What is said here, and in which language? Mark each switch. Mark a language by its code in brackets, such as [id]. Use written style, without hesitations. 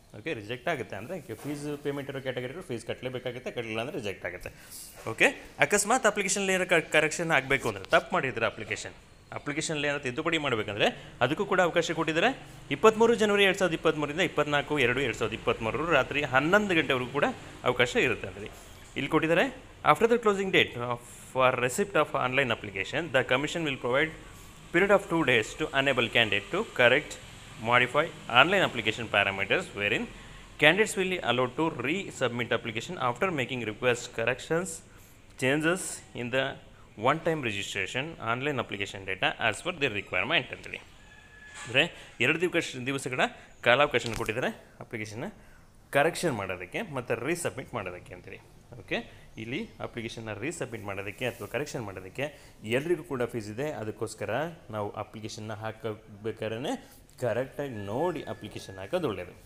[kn] Okay, reject ಆಗುತ್ತೆ ಅಂದರೆ fees payment ಇರೋ ಕ್ಯಾಟಗರಿಗೆ ಫೀಸ್ ಕಟ್ಟಲೇಬೇಕಾಗುತ್ತೆ, ಕಟ್ಟಲಿಲ್ಲ ಅಂದರೆ ರಿಜೆಕ್ಟ್ ಆಗುತ್ತೆ. ಓಕೆ, ಅಕಸ್ಮಾತ್ ಅಪ್ಲಿಕೇಶನಲ್ಲಿ ಏನೋ ಕರೆಕ್ಷನ್ ಆಗಬೇಕು ಅಂದರೆ, ತಪ್ಪು ಮಾಡಿದ್ರೆ ಅಪ್ಲಿಕೇಶನಲ್ಲಿ ಏನೋ ತಿದ್ದುಪಡಿ ಮಾಡಬೇಕಂದ್ರೆ ಅದಕ್ಕೂ ಕೂಡ ಅವಕಾಶ ಕೊಟ್ಟಿದ್ದಾರೆ. 23/2/2023 24/2/2023 ರಾತ್ರಿ 11 ಗಂಟೆವರೆಗೂ ಕೂಡ ಅವಕಾಶ ಇರುತ್ತೆ ಅಂತೇಳಿ ಇಲ್ಲಿ ಕೊಟ್ಟಿದ್ದಾರೆ. [en] After the closing date for receipt of online application, the commission will provide period of 2 days to enable candidate to correct, modify online application parameters, wherein candidates will be allowed to resubmit application after making request corrections, changes in the one-time registration online application data as per their requirement. [kn] ಅಂದರೆ ಎರಡು ದಿವಸಗಳ ಕಾಲಾವಕಾಶನ ಕೊಟ್ಟಿದ್ದಾರೆ ಅಪ್ಲಿಕೇಶನ್ನ correction ಮಾಡೋದಕ್ಕೆ ಮತ್ತು resubmit ಮಾಡೋದಕ್ಕೆ ಅಂತೇಳಿ. Okay, ಇಲ್ಲಿ ಅಪ್ಲಿಕೇಶನ್ನ ರೀಸಬ್ಮಿಟ್ ಮಾಡೋದಕ್ಕೆ ಅಥವಾ ಕರೆಕ್ಷನ್ ಮಾಡೋದಕ್ಕೆ ಎಲ್ರಿಗೂ ಕೂಡ ಫೀಸ್ ಇದೆ. ಅದಕ್ಕೋಸ್ಕರ ನಾವು ಅಪ್ಲಿಕೇಶನ್ನ ಹಾಕಬೇಕಾದ್ರೆ ಕರೆಕ್ಟಾಗಿ ನೋಡಿ ಅಪ್ಲಿಕೇಶನ್ ಹಾಕೋದು ಒಳ್ಳೆಯದು.